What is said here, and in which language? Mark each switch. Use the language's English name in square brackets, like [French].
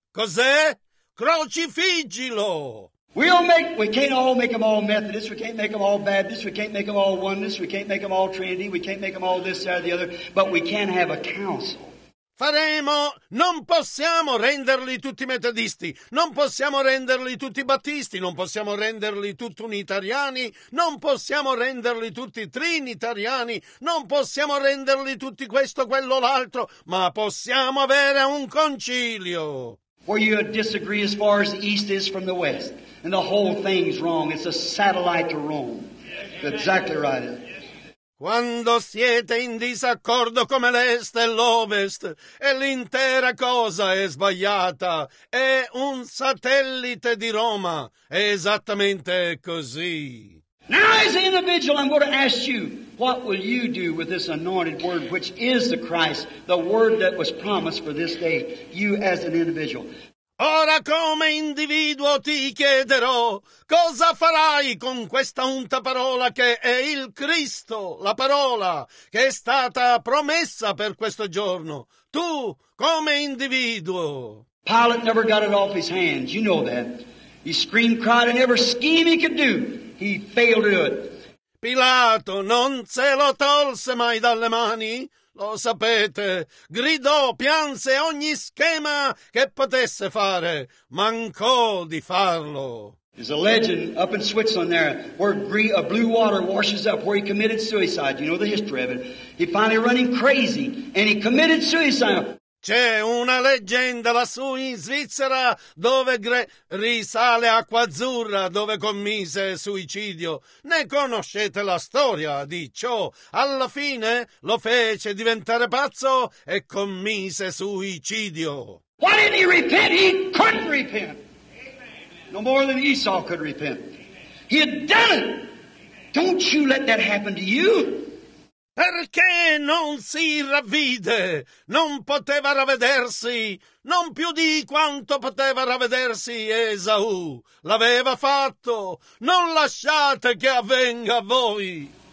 [Italian] Cos'è? Crocifiggilo! [English] We can't all make them all Methodists, we can't make them all Baptists, we can't make them all Oneness, we can't make them all Trinity, we can't make them all this, that, or the other, but we can have a council. [Italian] Faremo, non possiamo renderli tutti metodisti, non possiamo renderli tutti battisti, non possiamo renderli tutti unitariani, non possiamo renderli tutti trinitariani, non possiamo renderli tutti questo, quello, l'altro, ma possiamo avere un concilio. [English] Where you disagree as far as the East is from the West, and the whole thing's wrong, it's a satellite to Rome. That's exactly right. [Italian] Quando siete in disaccordo come l'est e l'ovest, e l'intera cosa è sbagliata, è un satellite di Roma. È esattamente così. [English] Now as an individual, I'm going to ask you, what will you do with this anointed word, which is the Christ, the word that was promised for this day, you as an individual? [Italian] Ora come individuo ti chiederò, cosa farai con questa unta parola che è il Cristo, la parola che è stata promessa per questo giorno, tu come individuo? [English] Pilate never got it off his hands, you know that. He screamed, cried, and every scheme he could do, he failed to do it. [Italian] Pilato non se lo tolse mai dalle mani. Lo sapete, gridò, pianse ogni schema che potesse fare, mancò di farlo. [English] There's a legend up in Switzerland there where a blue water washes up where he committed suicide. You know the history of it. He finally ran him crazy and he committed suicide. [Italian] C'è una leggenda lassù in Svizzera dove risale acqua azzurra, dove commise suicidio. Ne conoscete la storia di ciò. Alla fine lo fece diventare pazzo e commise suicidio. [English] Why didn't he repent? He couldn't repent. No more than Esau could repent. He had done it. Don't you let that happen to you. [Italian] Perché non si ravvide? Non poteva ravvedersi, non più di quanto poteva ravvedersi Esau. L'aveva fatto. Non lasciate che avvenga a voi.